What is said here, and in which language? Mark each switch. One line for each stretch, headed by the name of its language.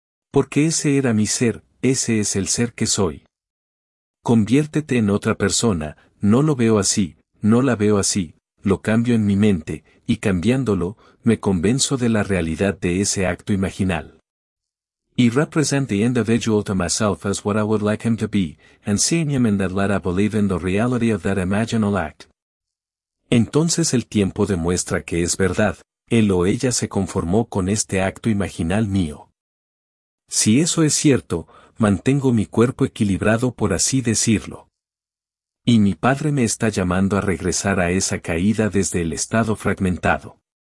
Spanish: Porque ese era mi ser, ese es el ser que soy. Conviértete en otra persona, no lo veo así, no la veo así, lo cambio en mi mente, y cambiándolo, me convenzo de la realidad de ese acto imaginal.
English: I represent the individual to myself as what I would like him to be, and seeing him in that light I believe in the reality of that imaginal act.
Spanish: Entonces el tiempo demuestra que es verdad, él o ella se conformó con este acto imaginal mío. Si eso es cierto, mantengo mi cuerpo equilibrado por así decirlo. Y mi padre me está llamando a regresar a esa caída desde el estado fragmentado.